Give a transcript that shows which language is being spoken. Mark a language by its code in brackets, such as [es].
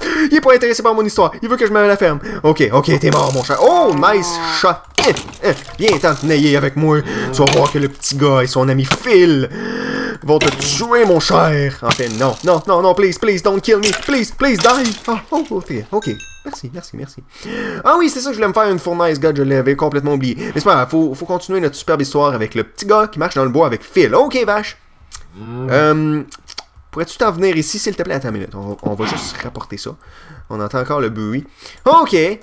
[fr] Il est pas intéressé par mon histoire. Il veut que je m'aille à la ferme. Ok, t'es mort, mon chat. [en] Oh, nice [fr] chat. Viens t'en tenailler avec moi. Tu vas voir que le petit gars et son ami Phil vont te tuer, mon cher. Enfin, non, [en] please, don't kill me. Please, die. Ok. [fr] Merci. Ah oui, c'est ça, je voulais me faire une fournaise, gars, je l'avais complètement oublié. Mais c'est pas grave, faut continuer notre superbe histoire avec le petit gars qui marche dans le bois avec Phil. Ok, vache. Pourrais-tu t'en venir ici, s'il te plaît? Attends une minute, on va juste rapporter ça. On entend encore le bruit. Ok!